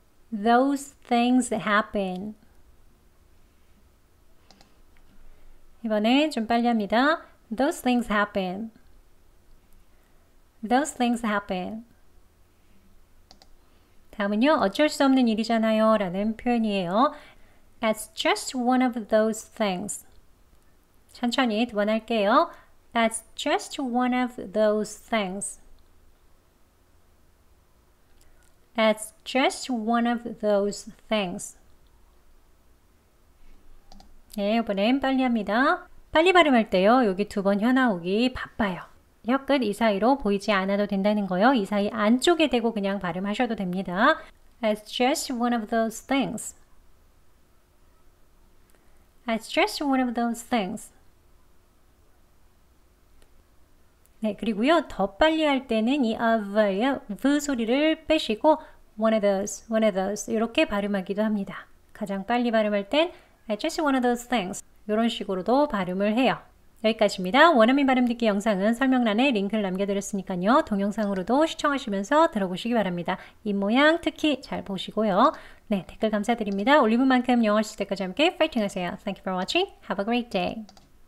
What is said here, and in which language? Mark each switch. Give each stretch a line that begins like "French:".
English: Those things happen.
Korean: 이번엔 좀 빨리 합니다.
English: Those things happen. Those things happen.
Korean: 다음은요, 어쩔 수 없는 일이잖아요 라는 표현이에요.
English: That's just one of those things.
Korean: 천천히 두 번 할게요.
English: That's just one of those things. That's just one of those things.
Korean: 네, 이번엔 빨리 합니다. 빨리 발음할 때요, 여기 두 번 현아오기 바빠요. 혀끝 이 사이로 보이지 않아도 된다는 거요. 이 사이 안쪽에 대고 그냥 발음하셔도 됩니다.
English: That's just one of those things. That's just one of those things.
Korean: 네, 그리고요. 더 빨리 할 때는 이 of의 v 소리를 빼시고
English: one of those, one of those
Korean: 이렇게 발음하기도 합니다. 가장 빨리 발음할 땐
English: That's just one of those things.
Korean: 이런 식으로도 발음을 해요. 여기까지입니다. 원어민 발음 듣기 영상은 설명란에 링크를 남겨드렸으니까요. 동영상으로도 시청하시면서 들어보시기 바랍니다. 입모양 특히 잘 보시고요. 네, 댓글 감사드립니다. 올리브만큼 영어 하실 때까지 함께 파이팅 하세요.
English: Thank you for watching. Have a great day.